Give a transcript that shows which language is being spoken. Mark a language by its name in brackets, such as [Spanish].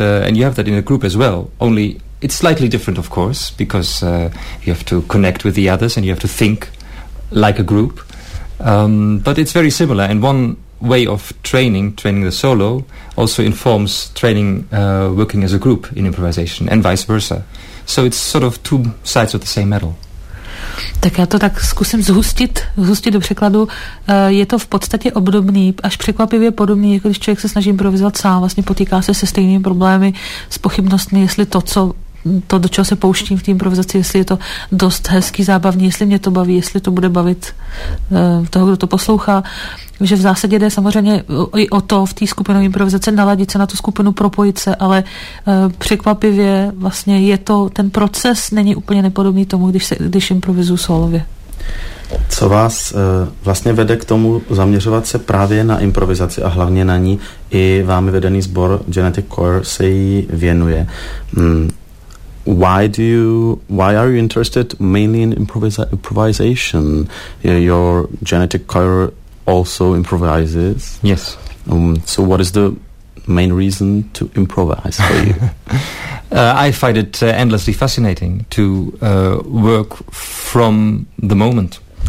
[English] And you have that in a group as well, only it's slightly different, of course, because you have to connect with the others and you have to think like a group. But it's very similar. And one way of training the solo, also informs training working as a group in improvisation and vice versa. So it's sort of two sides of the same medal. [Czech] Tak já to tak zkusím zhustit do překladu. Je to v podstatě obdobný, až překvapivě podobný, jako když člověk se snaží improvizovat sám, vlastně potýká se stejnými problémy, s pochybnostmi, jestli to, do čeho se pouštím v té improvizaci, jestli je to dost hezký, zábavný, jestli mě to baví, jestli to bude bavit toho, kdo to poslouchá. Že v zásadě jde samozřejmě i o to v té skupinové improvizace naladit se na tu skupinu, propojit se, ale překvapivě vlastně je to, ten proces není úplně nepodobný tomu, když improvizuju solově. Co vás vlastně vede k tomu zaměřovat se právě na improvizaci a hlavně na ní? I vámi vedený sbor Genetic Choir se jí věnuje. [English] Why are you interested mainly in improvisation? Your genetic choir also improvises. Yes. So what is the main reason to improvise for you? I find it endlessly fascinating to work from the moment.